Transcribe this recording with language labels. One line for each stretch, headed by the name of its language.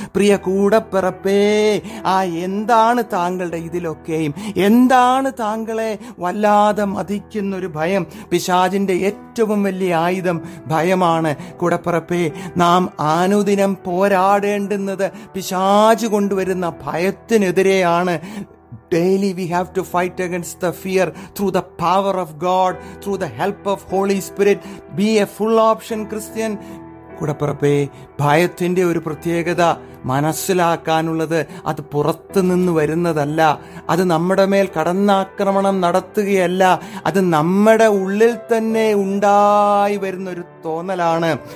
Malayalam: പ്രിയ കൂടപ്പിറപ്പേ, ആ എന്താണ് താങ്കളുടെ ഇതിലൊക്കെയും, എന്താണ് താങ്കളെ വല്ലാതെ മതിക്കുന്നൊരു ഭയം? പിശാചിന്റെ ഏറ്റവും വലിയ ആയുധം ഭയമാണ്. കൂടപ്പിറപ്പേ, നാം ആനുദിനം പോരാടേണ്ടുന്നത് പിശാച് കൊണ്ടുവരുന്ന ഭയത്തിനെതിരെയാണ്.
English: Daily we have to fight against the fear through the power of God, through the help of Holy Spirit. Be a full option Christian.
Malayalam: കൂടപ്പിറപ്പെ, ഭയത്തിൻ്റെ ഒരു പ്രത്യേകത മനസ്സിലാക്കാനുള്ളത് അത് പുറത്തുനിന്ന് വരുന്നതല്ല, അത് നമ്മുടെ മേൽ കടന്നാക്രമണം നടത്തുകയല്ല, അത് നമ്മുടെ ഉള്ളിൽ തന്നെ ഉണ്ടായി വരുന്നൊരു തോന്നലാണ്.